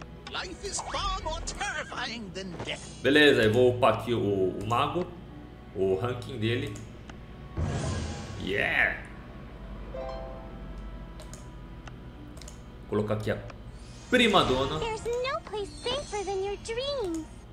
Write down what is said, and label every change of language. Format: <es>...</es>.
<en>Life is far more terrifying than death.</en> <pt>Beleza, eu vou upar aqui o mago, o ranking dele. Yeah! Vou colocar aqui a Primadonna.</pt> <en>There's no place safer than your dreams.</en>